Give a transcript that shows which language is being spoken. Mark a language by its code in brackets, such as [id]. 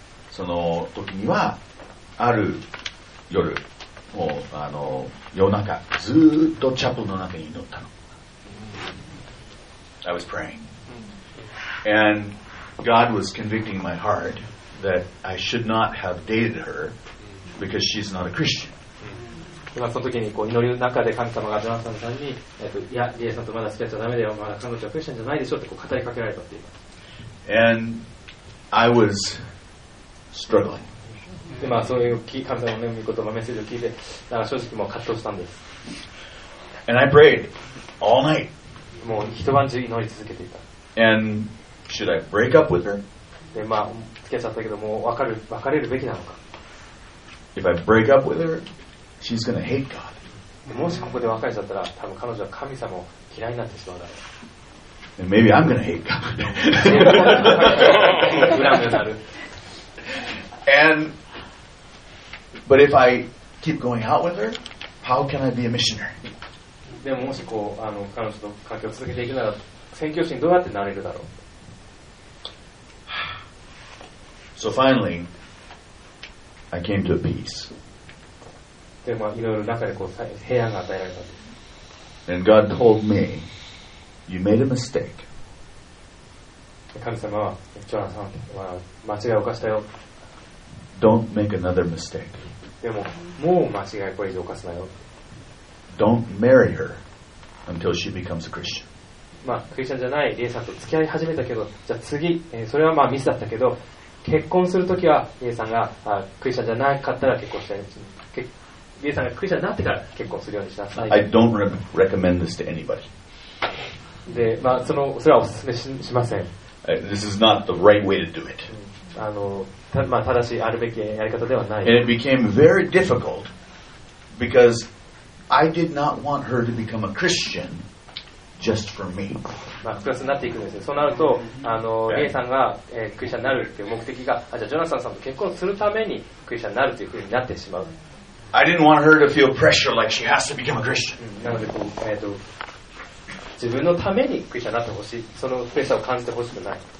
[ja] その時にはある夜もうあの夜中ずっとチャペルの中に祈ったの。 [en] I was praying. And God was convicting my heart that I should not have dated her because she's not a Christian. [ja] その時にこう祈りの中で神様がジョナサンさんに、いや、リエさんとまだ付き合っちゃダメだよ、まだ彼女はクリスチャンじゃないでしょってこう語りかけられたって言います。 [en] And I was. Struggling. [ja] でまあそういう神様の御言葉メッセージを聞いて、だから正直もう葛藤したんです。 [en] And I prayed all night. [ja] もう一晩中祈り続けていた。 [en] And should I break up with her? [ja] でまあ付き合っちゃったけど、もう別れるべきなのか。 [en] If I break up with her, she's gonna hate God. [ja] もしここで別れちゃったら、多分彼女は神様を嫌いになってしまうだろう。 [en] And maybe I'm gonna hate God. [ja] 恨むなる。 [en] And but if I keep going out with her, how can I be a missionary? [ja] でももしこうあの彼女と関係を続けていくなら、宣教師にどうやってなれるだろう。 [en] So finally, I came to a peace. [ja] でまあいろいろ中でこう平安が与えられたんです。 [en] And God told me, "You made a mistake." [ja] 神様はジョナサンは間違いを犯したよ。 [en] Don't make another mistake. [ja] でも、もう間違いこれ以上犯すなよ。 [en] Don't marry her until she becomes a Christian. [ja] まあ、クリスチャンじゃないリエさんと付き合い始めたけど、じゃあ次、それはまあミスだったけど、結婚するときはリエさんが、あ、クリスチャンじゃなかったら結婚したいです、ね、リエさんがクリスチャンになってから結婚するようにしなさい。 [en] I don't recommend this to anybody. [ja] で、まあ、それはお勧め しません。 [en] This is not the right way to do it. [ja] まあ、正しいあるべきやり方ではない。 [en] And it became very difficult becauseI did not want her to become a Christian just for me. [ja] まあ複雑になっていくんですよ。そうなると、リエさんが、クリスチャンになるっていう目的が、あ、じゃあジョナサンさんと結婚するためにクリスチャンになるというふうになってしまう。 [en] I didn't want her to feel pressure like she has to become a Christian. [ja] なので、自分のためにクリスチャンになってほしい、そのプレッシャーを感じてほしくない。